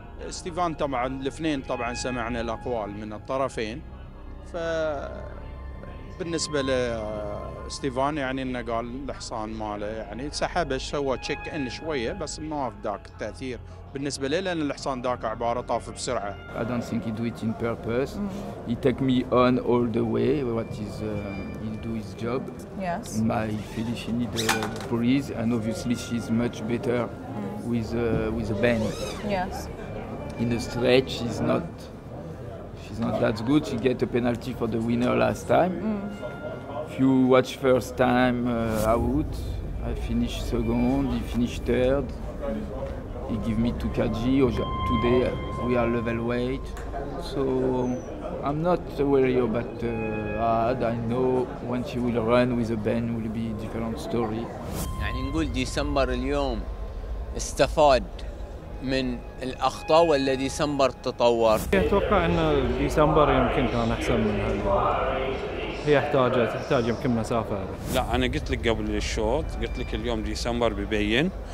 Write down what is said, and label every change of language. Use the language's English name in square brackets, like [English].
[Arabic] ستيفان طبعاً الاثنين طبعاً سمعنا الأقوال من الطرفين. فبالنسبة لستيفان يعني إنه قال الحصان ماله يعني سحبه سوى تشيك إن شوية بس ما في ذاك التأثير. بالنسبة لي لأن الحصان ذاك عبارة طاف بسرعة. [English] I don't think he do it in purpose. He take me on all the way. What is he do his job? Yes. My Felicia need a breeze and obviously she's much better with a bend. Yes. In the stretch she's not. She's not that good. She get a penalty for the winner last time. If you watch first time out, I finish second. He finish third. He give me 2 kg. Today we are level weight, so I'm not worried about Ad. I know when she will run with a Ben will be a different story. [Arabic] يعني نقول ديسمبر اليوم استفاد من الأخطاء ولا ديسمبر تطور؟ أتوقع إن ديسمبر يمكن كان أحسن من هذا. هي تحتاج يمكن مسافة. لا أنا قلت لك قبل الشوط قلت لك اليوم ديسمبر ببين.